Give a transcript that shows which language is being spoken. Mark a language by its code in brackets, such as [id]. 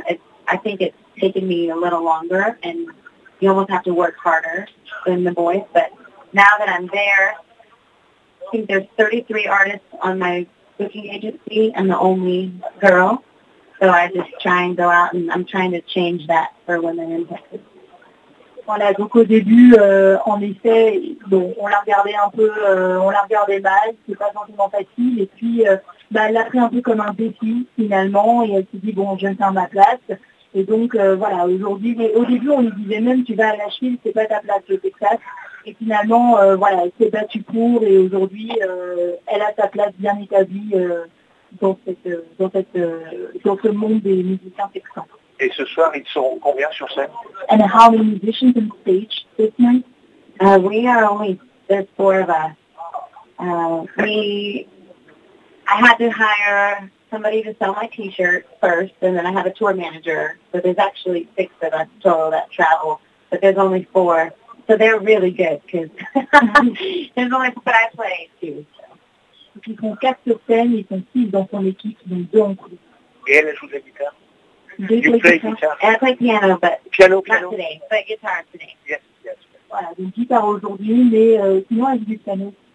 [en] And I think it's taken me a little longer and you almost have to work harder than the boys. But now that I'm there, I think there's 33 artists on my booking agency and the only girl. So I just try and go out and I'm trying to change that for women in Texas. [fr] Voilà, donc au début, en effet, bon, on l'a regardé un peu, on l'a regardé mal, c'est pas forcément facile, et puis elle l'a pris un peu comme un défi finalement, et elle s'est dit, bon, je vais faire ma place. Et donc voilà, aujourd'hui, mais au début, on lui disait même, tu vas à Nashville, c'est pas ta place, le Texas. Et finalement, voilà, elle s'est battue pour, et aujourd'hui, elle a sa place bien établie dans ce monde des musiciens texans. Et ce soir, ils seront combien sur scène? [en] And how many musicians on stage this night? We are only, there's four of us. I had to hire somebody to sell my t-shirt first, and then I have a tour manager. So there's actually six of us total that travel, but there's only four. So they're really good, because there's only four, but I play too. [fr] Donc ils sont quatre sur scène, ils sont six dans son équipe, donc deux en plus. Et elle joue de la guitare? [en] Do you play guitar? And I play piano, but piano, not piano. Today, but guitar today. Yes. [fr] Voilà, donc guitare aujourd'hui, mais sinon, elle joue du piano.